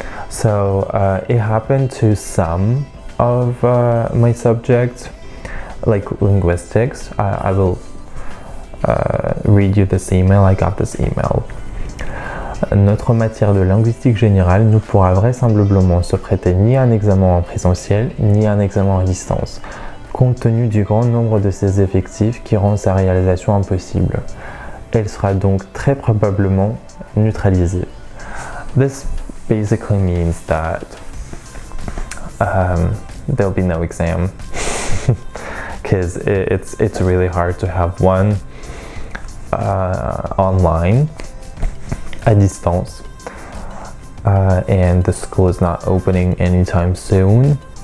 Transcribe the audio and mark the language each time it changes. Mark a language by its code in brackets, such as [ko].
[en] So it happened to some of my subjects. Like linguistics, I will read you this email. I got this email. [fr] Notre matière de linguistique générale ne pourra vraisemblablement se prêter ni à un examen en présentiel ni à un examen à distance, compte tenu du grand nombre de ses effectifs qui rend sa réalisation impossible. Elle sera donc très probablement neutralisée. [en] This basically means that there'll be no exam. Because it's really hard to have one online, [fr] à distance, [en] and the school is not opening anytime soon.